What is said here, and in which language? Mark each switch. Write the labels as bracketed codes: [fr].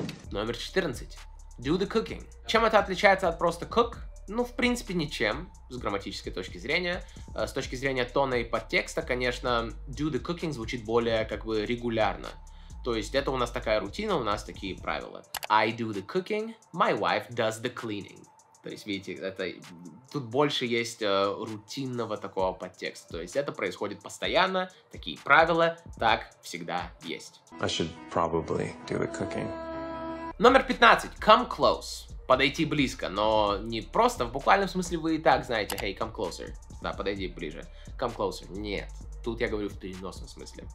[ru] Номер 14. [en] Do the cooking. [ru] Чем это отличается от просто cook? Ну, в принципе, ничем, с грамматической точки зрения. С точки зрения тона и подтекста, конечно, [en] do the cooking [ru] звучит более, как бы, регулярно. То есть, это у нас такая рутина, у нас такие правила. [en] I do the cooking, my wife does the cleaning. [ru] То есть, видите, это тут больше есть рутинного такого подтекста. То есть, это происходит постоянно, такие правила, так всегда есть. [en] I should probably do the cooking. [ru] Номер 15. [en] Come close. [ru] Подойти близко, но не просто, в буквальном смысле вы и так знаете, [en] hey, come closer, [ru] да, подойди ближе, [en] come closer, [ru] нет, тут я говорю в переносном смысле.